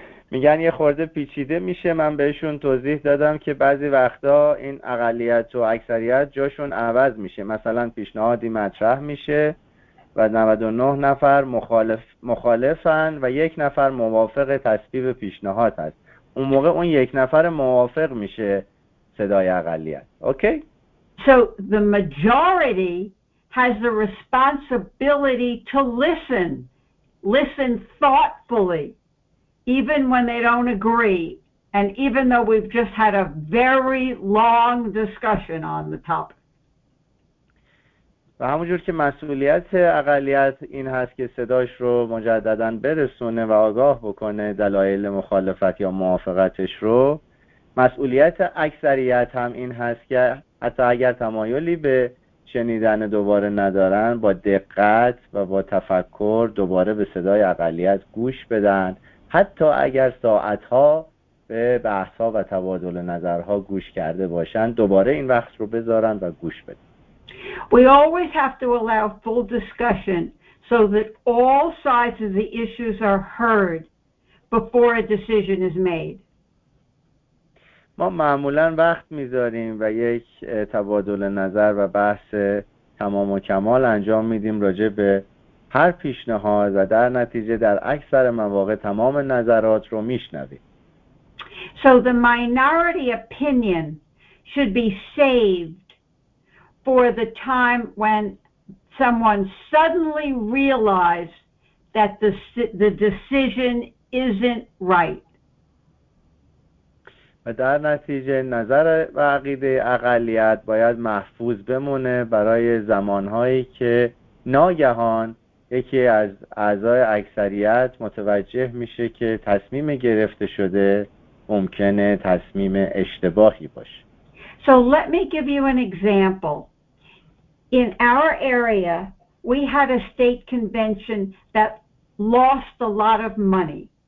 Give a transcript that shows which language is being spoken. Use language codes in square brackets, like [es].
[fa] میگن یه خورده پیچیده میشه. من بهشون توضیح دادم که بعضی وقتا این اقلیت و اکثریت جاشون عوض میشه. مثلا پیشنهادی مطرح میشه و 99 نفر مخالفن و یک نفر موافق تصویب پیشنهاد هست. اون موقع اون یک نفر موافق میشه صدای اقلیت. اوکی؟ [en] So the majority has the responsibility to listen thoughtfully. Even when they don't agree, and even though we've just had a very long discussion on the topic. [fa] و همونجور که مسئولیت اقلیت این هست که صداش رو مجدداً برسونه و آگاه بکنه دلایل مخالفت یا موافقتش رو، مسئولیت اکثریت هم این هست که حتی اگر تمایلی به شنیدن دوباره ندارن، با دقت و با تفکر دوباره به صدای اقلیت گوش بدن، حتی اگر ساعت‌ها به بحث‌ها و تبادل نظرها گوش کرده باشند دوباره این وقت رو بذارن و گوش بدن. [en] We always have to allow full discussion so that all sides of the issues are heard before a decision is made. [fa] ما معمولا وقت میذاریم و یک تبادل نظر و بحث تمام و کمال انجام میدیم راجع به هر پیشنهاد و در نتیجه در اکثر مواقع تمام نظرات رو میشنویم. [en] So the minority opinion should be saved for the time when someone suddenly realizes that the decision isn't right. [fa] و در نتیجه نظر و عقیده اقلیت باید محفوظ بمونه برای زمانهایی که ناگهان یکی از اعضای اکثریت متوجه میشه که تصمیم گرفته شده ممکنه تصمیم اشتباهی باشه. [en] So let me give you an example. In our area, we had a state convention that lost a lot of money.